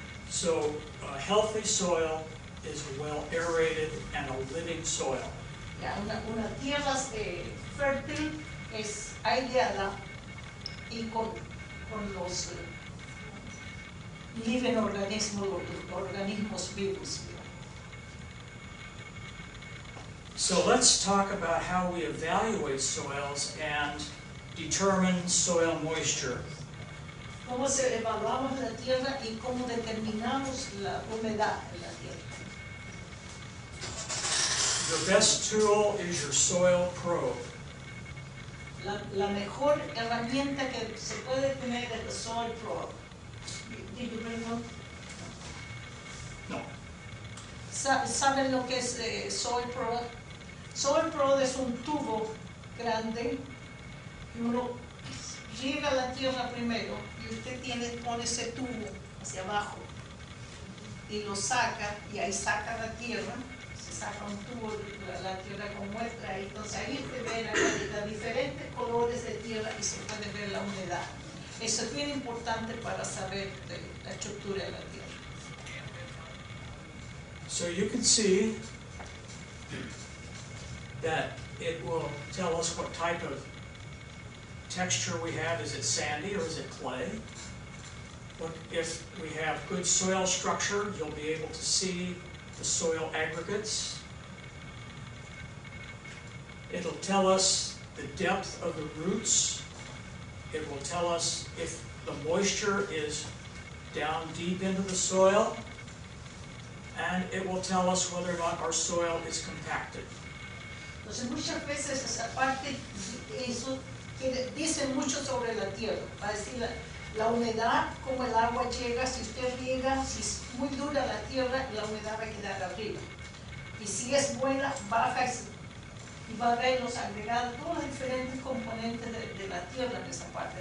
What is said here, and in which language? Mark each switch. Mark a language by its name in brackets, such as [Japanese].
[English] So, a healthy soil is well aerated and a living soil. [Spanish] Yeah, una tierra fértil es aireada y con los living organismos vivos. [English] So let's talk about how we evaluate soils and determine soil moisture. [Spanish] ¿Cómo se evaluamos la tierra y cómo determinamos la humedad? [English] The best tool is your soil probe. [Spanish] La mejor herramienta que se puede tener es la soil probe. [English] Did you bring one? No. [Spanish] ¿Saben lo que es soil probe? Soil probe es un tubo grande y uno llega a la tierra primero y usted pone ese tubo hacia abajo y lo saca y ahí saca la tierra. Saca un tubo la tierra con muestra y entonces ahí se ve la calidad, diferentes colores de tierra y se puede ver la humedad. Eso es bien importante para saber la estructura de la tierra. [English] So you can see that it will tell us what type of texture we have. Is it sandy or is it clay? But if we have good soil structure, you'll be able to see the soil aggregates. It'll tell us the depth of the roots. It will tell us if the moisture is down deep into the soil. And it will tell us whether or not our soil is compacted. [Spanish] Entonces muchas veces esa parte, eso dice mucho sobre la tierra. Va a decir la humedad, como el agua llega, si usted riega, si es muy dura la tierra, la humedad va a quedar arriba. Y si es buena, baja y va a ver los agregados, todos los diferentes componentes de la tierra en esa parte.